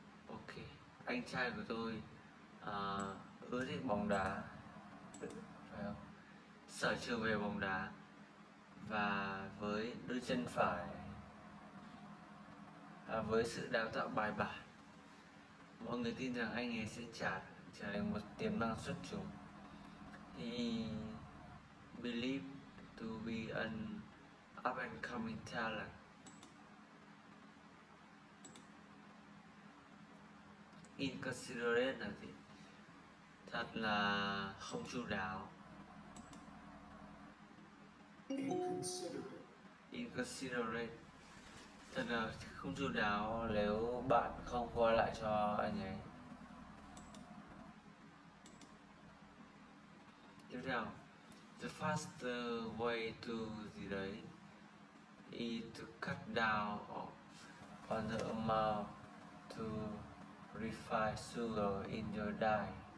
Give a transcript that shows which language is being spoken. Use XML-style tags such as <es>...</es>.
<vi>Ok, anh trai của tôi ưa thích bóng đá, phải không? Sở trường về bóng đá và với đôi chân phải, với sự đào tạo bài bản, mọi người tin rằng anh ấy sẽ trở thành một tiềm năng xuất chúng.</vi> <en>He believe to be an up and coming talent.</en> <vi>Inconsiderate là gì? Thật là không chu đáo.</vi> <en>Inconsiderate.</en> <vi>Thật là không chu đáo nếu bạn không qua lại cho anh ấy. Tiếp theo,</vi> <en>the faster way to</en> <vi>gì đấy</vi> <en>is to cut down on the amount to refined sugar in your diet.</en>